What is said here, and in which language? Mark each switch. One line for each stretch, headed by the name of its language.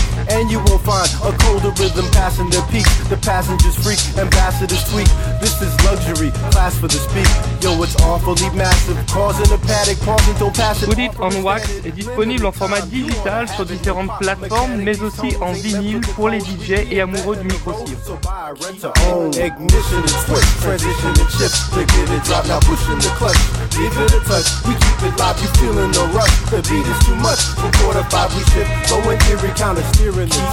English: And you won't find a colder rhythm passing the peak. The passengers freak, ambassadors tweak. This is luxury, class for the speak. Yo, it's awfully massive, causing a panic, pausing, don't pass it.
French: Put It On Wax est disponible en format digital sur différentes plateformes, mais aussi en vinyle pour les DJ et amoureux du micro-cire.
English: Ignition and switch, transition and chip. To get it dropped, now pushing the clutch. Give it a touch, we keep it live, you feeling the rush. The beat is too much, from 4 to 5 we shift. Going every counter, steering.